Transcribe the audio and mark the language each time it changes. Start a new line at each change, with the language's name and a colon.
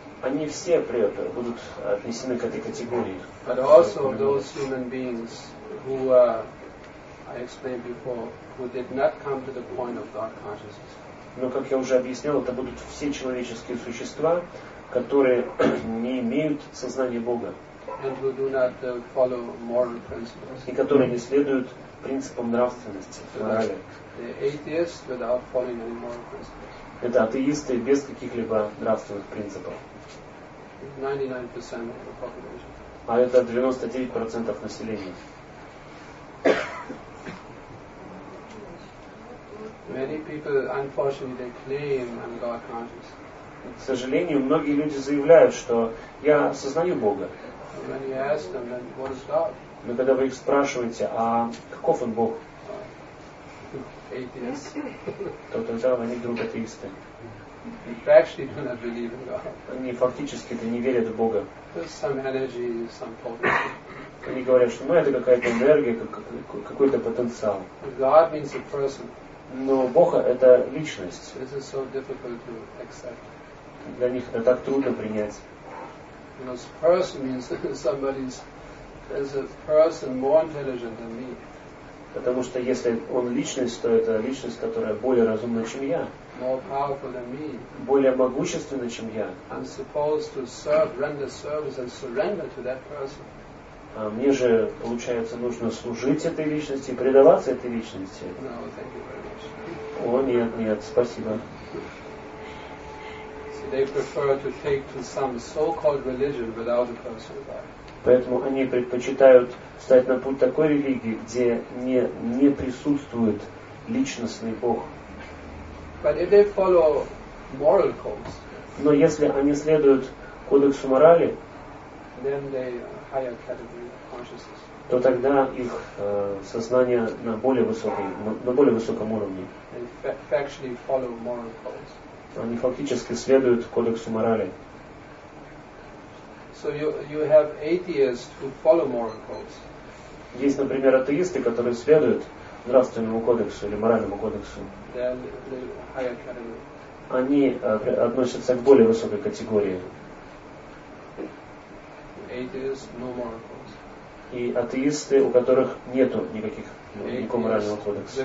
Russian: Они все будут отнесены к этой категории.
English: But also those human beings who I explained before, who did not come to the point of God consciousness.
Russian: Но, как я уже объяснял, это будут все человеческие существа, которые не имеют сознания Бога.
English: And who do not follow moral principles.
Russian: И которые не следуют принципам нравственности.
English: The atheist without following any moral principles.
Russian: Это атеисты без каких-либо нравственных принципов.
English: 99% of the population.
Russian: А это 99% населения.
English: Many people, unfortunately, they claim I'm God conscious.
Russian: К сожалению, многие люди заявляют, что я осознаю Бога.
English: When you ask them, then what is God?
Russian: Но когда вы их спрашиваете, а каков он Бог?
English: Atheist.
Russian: То тогда они вдруг атеисты.
English: They actually do not believe in God.
Russian: Они фактически не верят в Бога.
English: There's some energy, some potency.
Russian: Они говорят, что это какая-то энергия, какой-то потенциал.
English: God means a person.
Russian: Но Бог — это личность.
English: This is so difficult to accept.
Russian: Для них это так трудно принять.
English: Because person means somebody is a person more intelligent than me.
Russian: Потому что если он личность, то это личность, которая более разумна, чем я.
English: More powerful than me.
Russian: Более могущественна, чем я.
English: I'm supposed to serve, render service and surrender to that person.
Russian: А мне же, получается, нужно служить этой личности и предаваться этой личности.
English: No, thank you very much.
Russian: О, нет, спасибо.
English: So they prefer to take to some so-called religion without a personal life.
Russian: Поэтому они предпочитают встать на путь такой религии, где не присутствует личностный Бог.
English: But if they follow moral codes,
Russian: но если они следуют кодексу морали,
English: then they higher category of consciousness.
Russian: То тогда их сознание на более высоком уровне.
English: They factually follow moral codes.
Russian: Они фактически следуют кодексу морали.
English: So you have atheists who follow moral codes.
Russian: Есть, например, атеисты, которые следуют нравственному кодексу или моральному кодексу.
English: They are the higher category.
Russian: Они относятся к более высокой категории.
English: Atheists, no moral codes.
Russian: И атеисты, у которых нету никакого морального кодекса.